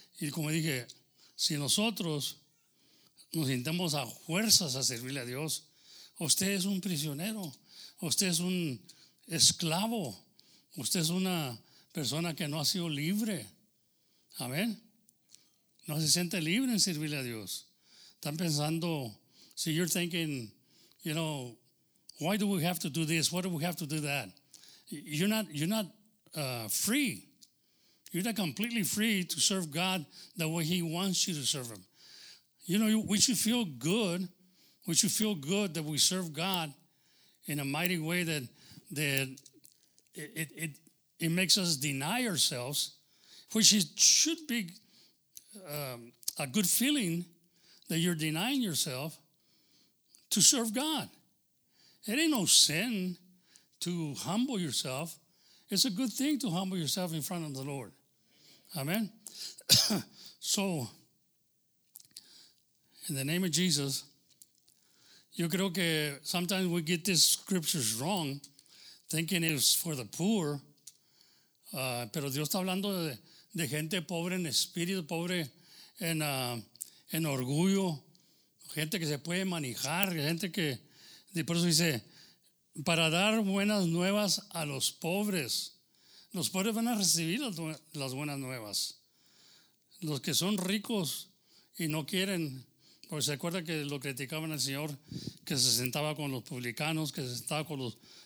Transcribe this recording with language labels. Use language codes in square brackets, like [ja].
[es] Y como dije, si nosotros nos sintamos a fuerzas a servirle a Dios, usted es un prisionero, usted es un esclavo, usted es una persona que no ha sido libre. Amén. No se siente libre en servirle a Dios. Están pensando, si [en] so you're thinking, you know, why do we have to do this? Why do we have to do that? You're not free. You're not completely free to serve God the way He wants you to serve Him. You know, we should feel good. We should feel good that we serve God in a mighty way that it makes us deny ourselves, which it should be a good feeling that you're denying yourself to serve God. It ain't no sin to humble yourself. It's a good thing to humble yourself in front of the Lord. Amen. So, in the name of Jesus, [es] yo creo que [en] sometimes we get these scriptures wrong, thinking it's for the poor. [es] Pero Dios está hablando de gente pobre en espíritu, pobre en orgullo, gente que se puede manejar, gente que, y por eso dice, para dar buenas nuevas a los pobres. Los pobres van a recibir las buenas nuevas. Los que son ricos y no quieren, porque se acuerda que lo criticaban al Señor, que se sentaba con los publicanos, que se sentaba con los